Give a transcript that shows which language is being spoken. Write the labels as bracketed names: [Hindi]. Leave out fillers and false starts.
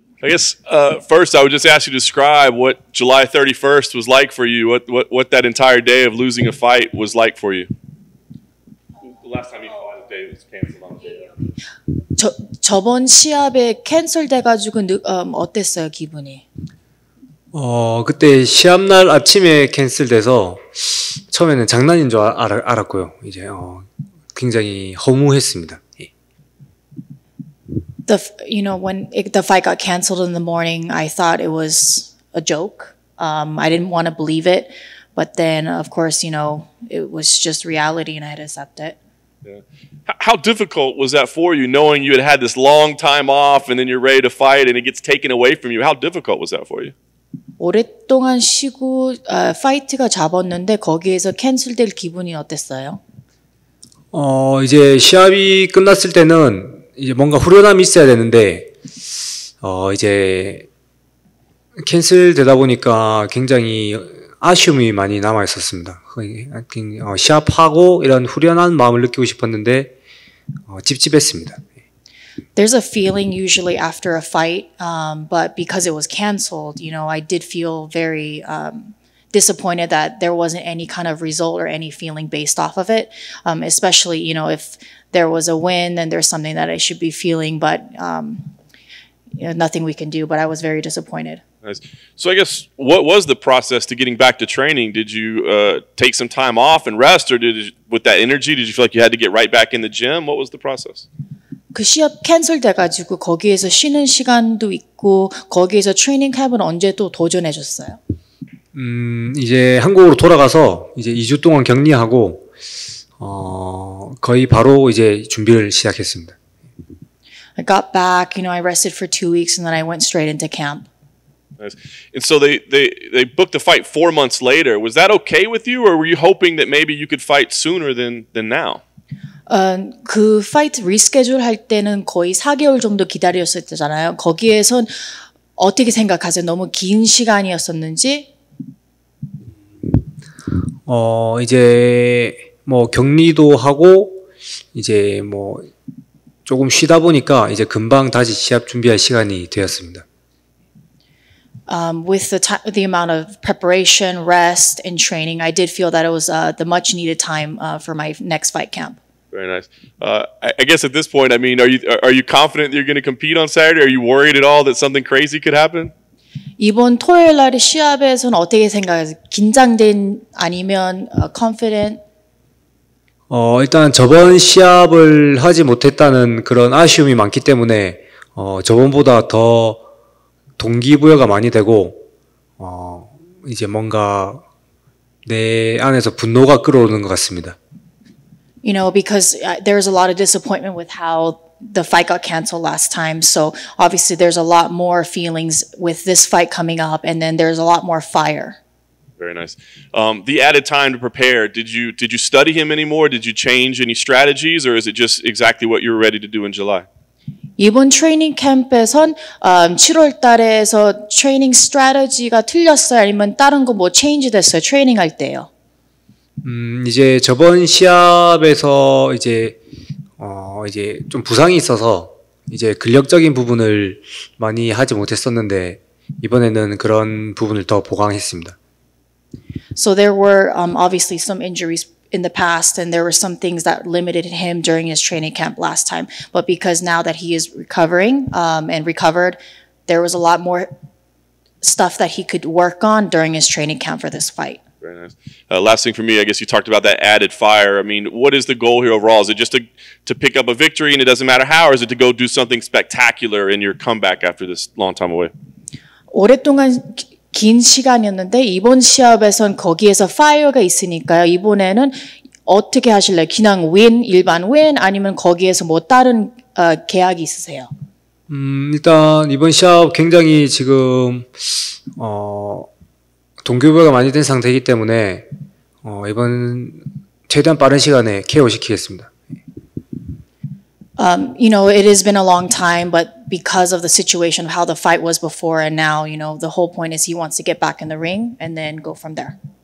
[English] I guess first I would just ask you to describe what July 31st was like for you, what that entire day of losing a fight was like for you. The last time you fought, the day was canceled on the day. [Korean] 저번 시합에 캔슬 돼가지고 어땠어요, 기분이? 그때 시합 날 아침에 캔슬돼서 처음에는 장난인 줄 알았고요. 이제 굉장히 허무했습니다. [English] The you know when it, the fight got canceled in the morning, I thought it was a joke. I didn't want to believe it, but then of course you know it was just reality, and I had to accept it. Yeah. How difficult was that for you, knowing you had had this long time off, and then you're ready to fight, and it gets taken away from you? How difficult was that for you? [Korean] 오랫동안 쉬고 파이트가 잡았는데 거기에서 캔슬될 기분이 어땠어요? 이제 시합이 끝났을 때는 이제 뭔가 후련함이 있어야 되는데 이제 캔슬되다 보니까 굉장히 아쉬움이 많이 남아 있었습니다. 시합하고 이런 후련한 마음을 느끼고 싶었는데 찝찝했습니다. [English] There's a feeling usually after a fight, but because it was canceled, you know, I did feel very disappointed that there wasn't any kind of result or any feeling based off of it. Especially, you know, if there was a win, then there's something that I should be feeling, but you know, nothing we can do. But I was very disappointed. Nice. So I guess what was the process to getting back to training? Did you take some time off and rest, or did you, with that energy, did you feel like you had to get right back in the gym? What was the process? [Korean] 그 시합 캔슬돼가지고 거기에서 쉬는 시간도 있고 거기에서 트레이닝 캠은 언제 또 도전해줬어요? 이제 한국으로 돌아가서 이제 2주 동안 격리하고 거의 바로 이제 준비를 시작했습니다. [English] I got back, you know, I rested for 2 weeks and then I went straight into camp. Nice. And so they booked the fight 4 months later. Was that okay with you, or were you hoping that maybe you could fight sooner than now? [Korean] 그 파이트 리스케줄 할 때는 거의 4개월 정도 기다렸었잖아요. 거기에선 어떻게 생각하세요? 너무 긴 시간이었었는지? 이제 뭐 격리도 하고 이제 뭐 조금 쉬다 보니까 이제 금방 다시 시합 준비할 시간이 되었습니다. [English] With the amount of preparation, rest, and training, I did feel that it was the much needed time for my next fight camp. Very nice. I guess at this point, I mean, are you confident that you're going to compete on Saturday? Are you worried at all that something crazy could happen? [Korean] 이번 토요일 날 시합에서는 어떻게 생각하세요? 긴장된 아니면 confident? 일단 저번 시합을 하지 못했다는 그런 아쉬움이 많기 때문에 저번보다 더 동기부여가 많이 되고 이제 뭔가 내 안에서 분노가 끌어오는 것 같습니다. [English] You know, because there's a lot of disappointment with how the fight got canceled last time. So obviously there's a lot more feelings with this fight coming up, and then there's a lot more fire. Very nice. The added time to prepare, did you study him anymore? Did you change any strategies, or is it just exactly what you were ready to do in July? [Korean] 이번 트레이닝 캠프에선 7월 달에서 트레이닝 스트래티지가 틀렸어요? 아니면 다른 거 뭐 체인지 됐어요? 트레이닝 할 때요. 이제 저번 시합에서 이제 이제 좀 부상이 있어서 이제 근력적인 부분을 많이 하지 못했었는데 이번에는 그런 부분을 더 보강했습니다. [English] So there were obviously some injuries in the past, and there were some things that limited him during his training camp last time. But because now that he is recovering and recovered, there was a lot more stuff that he could work on during his training camp for this fight. Very nice. Last thing for me, I guess you talked about that added fire. I mean, what is the goal here overall? Is it just to pick up a victory and it doesn't matter how, or is it to go do something spectacular in your comeback after this long time away? [Korean] 오랫동안 긴 시간이었는데 이번 시합에선 거기에서 파이어가 있으니까요. 이번에는 어떻게 하실래요? 그냥 win, 일반 win, 아니면 거기에서 뭐 다른 계약이 있으세요? 일단 이번 시합 굉장히 지금 동기부여가 많이 된 상태이기 때문에 이번 최대한 빠른 시간에 KO 시키겠습니다. [English] You know, it has been a long time, but because of the situation of how the fight was before and now, you know, the whole point is he wants to get back in the ring and then go from there.